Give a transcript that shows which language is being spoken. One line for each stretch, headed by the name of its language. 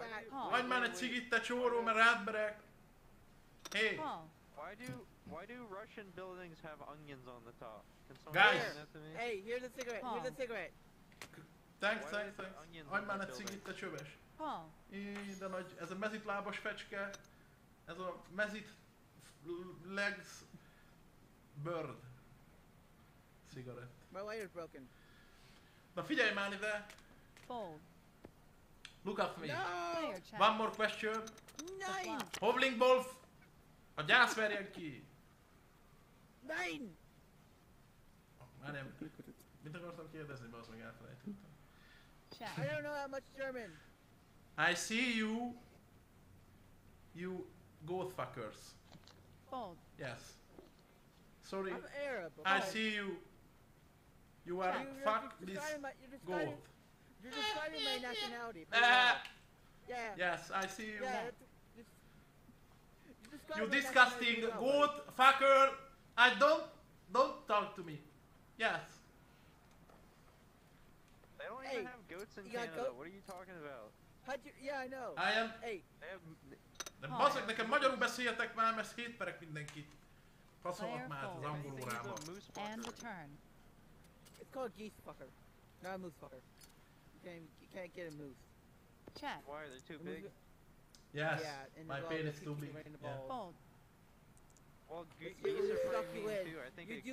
Hungarian: Hagyd már egy cigit, te csóró, mert rád berek.
English: Hey. Why do Russian buildings have onions on the top? Guys. Hey, here's a cigarette. Huh. Here's a cigarette. Thanks.
Hungarian: Hagyd már egy cigit, te csöves. De nagy, ez a mezit lábas fecske. Ez a mezit
English: legs bird. Cigarette. My light is broken.
Hungarian: Na figyelj már ide!
English: Fold. Look at me! No! One more question! Nine!
Hungarian: Hobbling Wolf! A gyász verjen ki!
English: Nine!
Hungarian: Már nem... Mit akartam kérdezni, bazd meg elfelejtettem.
English: Check. I don't know how much German! I see you! You... goat fuckers! Fold. Yes. Sorry. I'm Arab, okay? I see you! You are fuck this goat. You're describing my nationality. Yes, I see you. Yeah, just You disgusting goat fucker! I don't talk to me. Yes. They don't even have goats in Canada. What are you talking about? Yeah, I know. I am. Hey.
Hungarian: De baszak, nekem magyarul beszéljetek már, mert hétperek mindenkit. Faszolok már az angol órába.
English: And the turn. It's called geese fucker. Not a moose fucker. You can't get a moose. Chat. Why, are they too big? Yes, yeah, my pain is too big. Fold. Well, geese are pretty mean too.